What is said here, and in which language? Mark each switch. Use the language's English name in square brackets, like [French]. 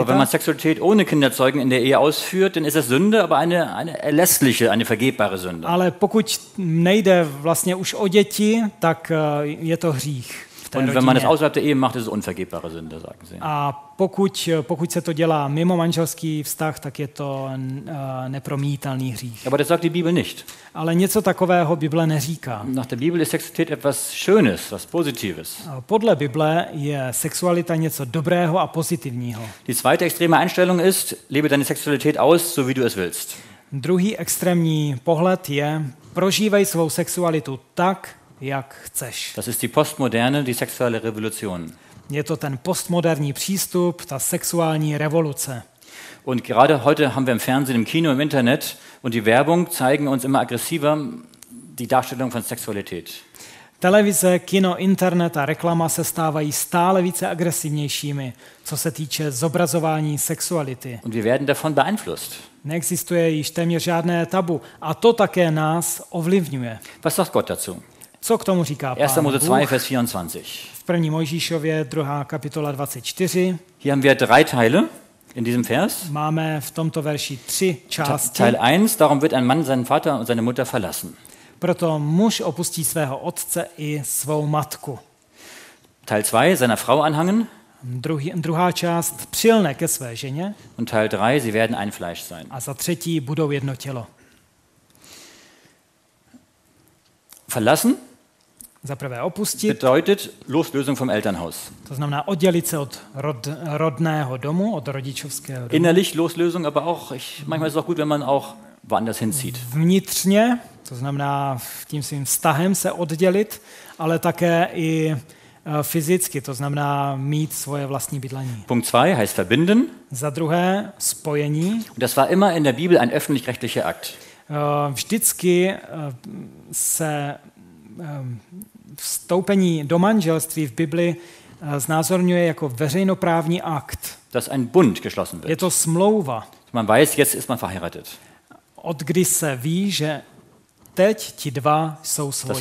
[German] Aber wenn man Sexualität ohne Kinderzeugen in der Ehe ausführt, dann ist es Sünde, aber eine erlässliche, eine vergebbare Sünde. [Czech] Ale pokud nejde vlastně už o děti, tak je to hřích. [German] Und wenn man es außerhalb der Ehe macht, ist es unvergebbare Sünde, sagen sie. [Czech] A pokud se to dělá mimo manželský vztah, tak je to nepromítelný hřích. [German] Aber das sagt die Bibel nicht. [Czech] Ale něco takového Bible neříká. [German] Nach der Bibel ist Sexualität etwas Schönes, was Positives. [Czech] Podle Bible je sexualita něco dobrého a pozitivního. [German] Die zweite extreme Einstellung ist, lebe deine Sexualität aus, so wie du es willst. [Czech] Druhý extrémní pohled je, prožívej svou sexualitu tak, jak chceš. [German] Das ist die postmoderne, die sexuelle Revolution. [Czech] Je to ten postmoderní přístup, ta sexuální revoluce. [German] Und gerade heute haben wir im Fernsehen, im Kino, im Internet und die Werbung zeigen uns immer aggressiver die Darstellung von Sexualität. [Czech] Televize, kino, internet a reklama se stávají stále více agresivnějšími, co se týče zobrazování sexuality. [German] Und wir werden davon beeinflusst. [Czech] Neexistuje již téměř žádné tabu a to také nás ovlivňuje. [German] Was sagt Gott dazu? [Czech] Co k tomu říká Pán Bůh? [German] 2, vers 24. [Czech] V první Mojžíšově, 2. kapitola 24. [German] Hier haben wir drei Teile in diesem Vers. [Czech] Máme v tomto verši tři části. [German] Teil 1, darum wird ein Mann seinen Vater und seine Mutter verlassen. [Czech] Proto muž opustí svého otce i svou matku. [German] Teil 2, seiner Frau anhangen. [Czech] Druhá část, přilne ke své ženě. [German] Und Teil 3, sie werden ein Fleisch sein. [Czech] A za třetí, budou jedno tělo. [German] Verlassen [Czech] za prvé opustit, [German] bedeutet Loslösung vom Elternhaus. [Czech] To znamená oddělit se od rodného domu, od rodičovského domu. [German] Innerlich Loslösung, aber auch, manchmal ist es auch gut, wenn man auch woanders hinzieht. [Czech] Vnitřně, to znamená tím svým vztahem se oddělit, ale také i fyzicky, to znamená mít svoje vlastní bydlení. [German] Punkt 2 heißt verbinden. [Czech] Za druhé spojení. [German] Das war immer in der Bibel ein öffentlich-rechtlicher Akt. [Czech] Vždycky se vstoupení do manželství v Bibli znázorňuje jako veřejnoprávní akt. [German] Dass ein Bund geschlossen wird. [Czech] Je to smlouva. [German] Man weiß, jetzt ist man verheiratet. [Czech] Od kdy se ví, že teď ti dva jsou svoji.